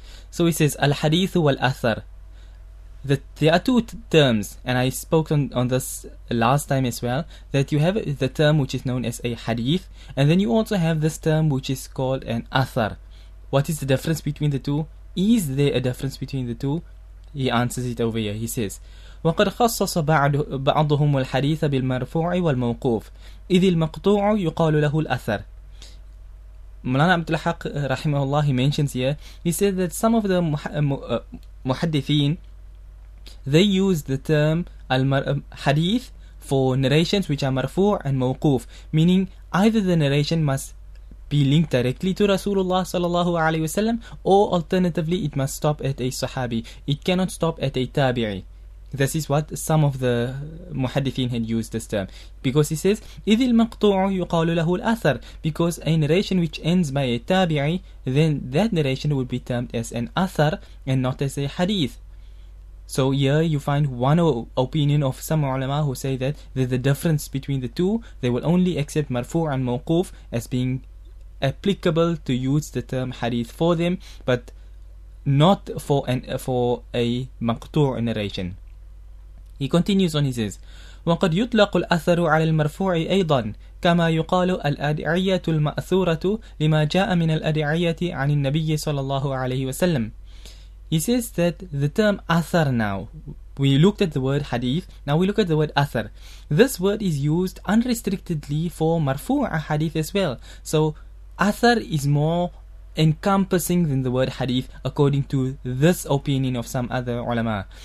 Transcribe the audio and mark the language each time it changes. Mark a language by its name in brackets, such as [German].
[English] So it says Al-Hadithu wal-Athar. There are two terms, and I spoke on this last time as well, that you have the term which is known as a hadith, and then you also have this term which is called an athar. What is the difference between the two? Is there a difference between the two? He answers it over here. He says, [Arabic] وَقَدْ خَصَّصَ بَعْضُهُمُ الْحَدِيثَ بِالْمَرْفُوعِ وَالْمَوْقُوفِ إِذِ الْمَقْطُوعُ يُقَالُ لَهُ الْأَثَرِ. [English] Mulana Abdul Haq, rahimahullah, he mentions here, he said that some of the muhaddithin, they use the term al-hadith for narrations which are marfu' and mawquf, meaning either the narration must be linked directly to Rasulullah sallallahu alayhi wasallam, or alternatively it must stop at a sahabi. It cannot stop at a tabi'i. This is what some of the muhaddithin had used this term. Because he says, [Arabic] إِذِ الْمَقْطُوعُ يُقَالُ لَهُ الْأَثَرُ. [English] Because a narration which ends by a tabi'i, then that narration would be termed as an athar and not as a hadith. So here you find one opinion of some ulama who say that there's a difference between the two. They will only accept marfu' and mawquf as being applicable to use the term hadith for them, but not for a maqtu' narration. He continues on, he says, [Arabic] وَقَدْ يُطْلَقُ الْأَثَرُ عَلَى الْمَرْفُوعِ أَيْضًا كَمَا يُقَالُ الْأَدْعِيَةُ الْمَأْثُورَةُ لِمَا جَاءَ مِنَ الْأَدْعِيَةِ عَنِ النَّبِيِّ صَلَى اللَّهُ عَلَيْهِ وَسَلَّمُ. [English] He says that the term athar, now we looked at the word hadith, now we look at the word athar. This word is used unrestrictedly for marfu'a hadith as well. So athar is more encompassing than the word hadith, according to this opinion of some other ulama.